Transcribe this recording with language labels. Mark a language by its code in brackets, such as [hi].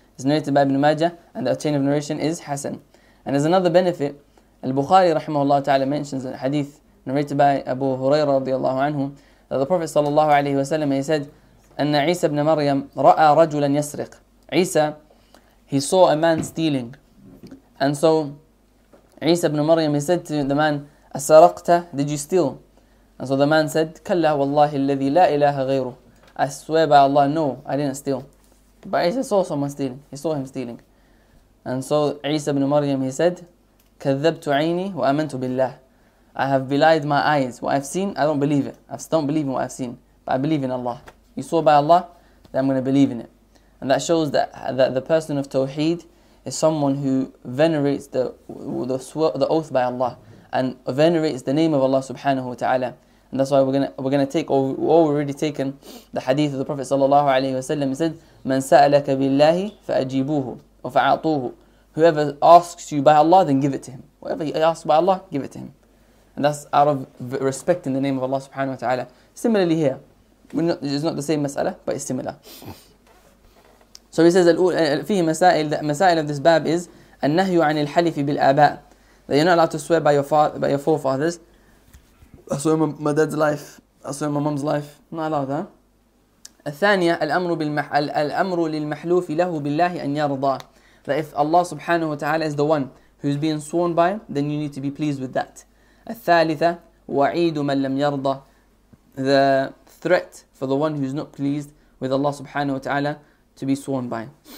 [en] It's narrated by Ibn Majah, and the chain of narration is Hassan. And as another benefit, Al-Bukhari rahimahullah ta'ala mentions a hadith narrated by Abu Huraira radiallahu anhu, that the Prophet sallallahu alayhi wa sallam, he said, [ar] أَنَّ عِيسَى بْنَ مَرْيَمْ رَأَى رَجُلًا يَسْرِقْ. [en] Isa, he saw a man stealing. And so, Isa ibn Maryam, he said to the man, [ar] أَسَرَقْتَ, [en] did you steal? And so the man said, [ar] كَلَّا وَاللَّهِ الَّذِي لَا إِلَهَ غَيْرُهُ. [en] I swear by Allah, no, I didn't steal. But Isa saw someone stealing. He saw him stealing. And so Isa ibn Maryam, he said, [ar] كَذَّبْتُ عَيْنِي وَأَمَنْتُ بِاللَّهِ. [en] I have belied my eyes. What I've seen, I don't believe it. I don't believe in what I've seen. But I believe in Allah. He saw by Allah, then I'm going to believe in it. And that shows that the person of Tawheed is someone who venerates the oath by Allah and venerates the name of Allah subhanahu wa ta'ala. And that's why we're gonna take, or we've already taken the hadith of the Prophet sallallahu alayhi wa sallam. He said, [ar] مَنْ سَأَلَكَ بِاللَّهِ فَأَجِيبُوهُ وَفَعَطُوهُ. [en] Whoever asks you by Allah, then give it to him. Whoever he asks by Allah, give it to him. And that's out of respecting the name of Allah subhanahu wa ta'ala. Similarly here, it's not the same mas'ala, but it's similar. So he says, [ar] فيه مسائل, [en] the مسائل of this bab is [ar] النهي عن الحلف بالآباء, [en] that you're not allowed to swear by your forefathers. I swear my dad's life, I swear my mom's life. Not allowed, huh? [ar] الثانية, الأمر للمحلوف له بالله أن يرضى. [en] That if Allah subhanahu wa ta'ala is the one who's being sworn by, then you need to be pleased with that. [ar] الثالثة, وعيد من لم يرضى. [en] The threat for the one who's not pleased with Allah subhanahu wa ta'ala to be sworn by.